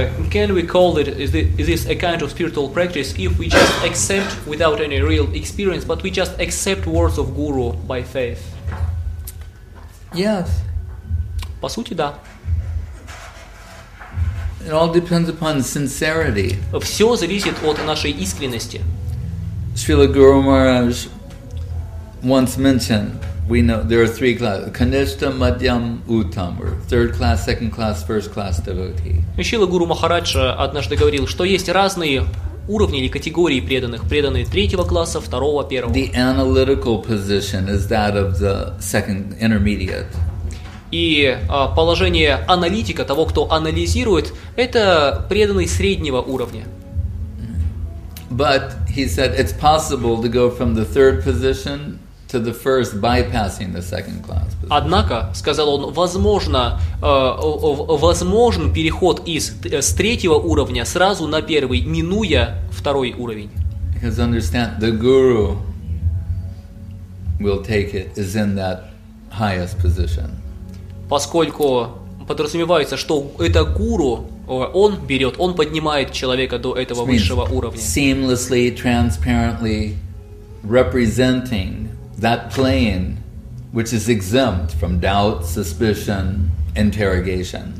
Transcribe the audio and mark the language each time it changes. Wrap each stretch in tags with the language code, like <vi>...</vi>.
<en>Can we call it, is this a kind of spiritual practice if we just accept without any real experience, but we just accept words of guru by faith? Yes.</en> <ru>По сути, да.</ru> <en>It all depends upon sincerity.</en> <ru>Все зависит от нашей искренности.</ru> <en>Srila Guru Maharaj once mentioned, we know there are three classes: Kanishta, Madhyam, Uttam, or third class, second class, first class devotee.</en> <ru>Шрила Гуру Махарадж однажды говорил, что есть разные уровни или категории преданных: преданные третьего класса, второго, первого.</ru> <en>The analytical position is that of the second intermediate.</en> <ru>И положение аналитика, того, кто анализирует, это преданный среднего уровня.</ru> <en>But he said it's possible to go from the third position to the first, bypassing the second class position.</en> <ru>Однако, сказал он, возможно, возможен переход из с третьего уровня сразу на первый, минуя второй уровень.</ru> <en>Because understand, the guru will take it is in that highest position.</en> <ru>Поскольку подразумевается, что это гуру, он берет, он поднимает человека до этого высшего уровня.</ru> <en>Seamlessly, transparently representing that plane which is exempt from doubt, suspicion, interrogation.</en>